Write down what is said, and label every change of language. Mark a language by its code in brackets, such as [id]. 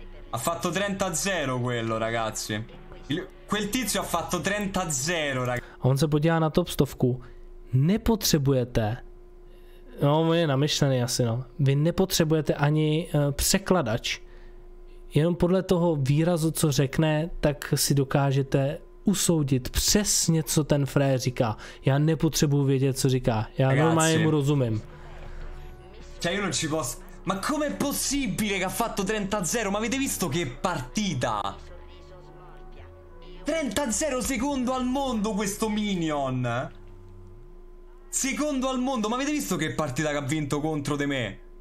[it] Ha fatto 30-0 quello, ragazzi. Quel tizio ha fatto 30-0, ragazzi. [cs] A on se podívá na top stovku. Nepotřebujete. No, on je namyšlený asi, no. Vy nepotřebujete ani překladač. Jenom podle toho výrazu, co řekne, tak si dokážete usoudit přesně, co ten frér říká. Já nepotřebuji vědět, co říká. Já normálně mu rozumím. [it] Cioè, io non ci posso. Ma com'è possibile che ha fatto 30-0? Ma avete visto che partita? 30-0, secondo al mondo questo minion! Secondo al mondo, ma avete visto che partita che ha vinto contro di me?